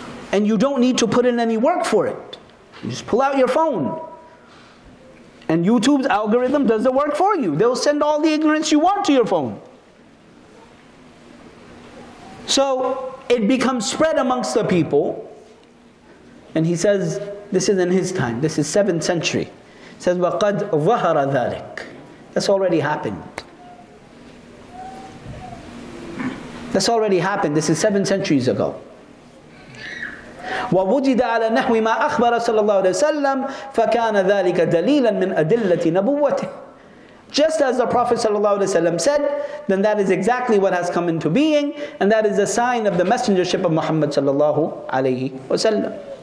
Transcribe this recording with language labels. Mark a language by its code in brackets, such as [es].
[en] And you don't need to put in any work for it. You just pull out your phone. And YouTube's algorithm does the work for you. They'll send all the ignorance you want to your phone. So it becomes spread amongst the people. And he says, this is in his time. This is 7th century. He says, [ar] وَقَدْ ظَهَرَ ذَلِكَ. [en] That's already happened. That's already happened. This is 7 centuries ago. [ar] وَوُجِدَ عَلَى نَحْوِ مَا أَخْبَرَ صَلَى اللَّهُ عَلَيْهِ وَسَلَّمَ فَكَانَ ذَلِكَ دَلِيلًا مِنْ أَدِلَّةِ نَبُوَّتِهِ. [en] Just as the Prophet ﷺ said, then that is exactly what has come into being, and that is a sign of the messengership of Muhammad ﷺ.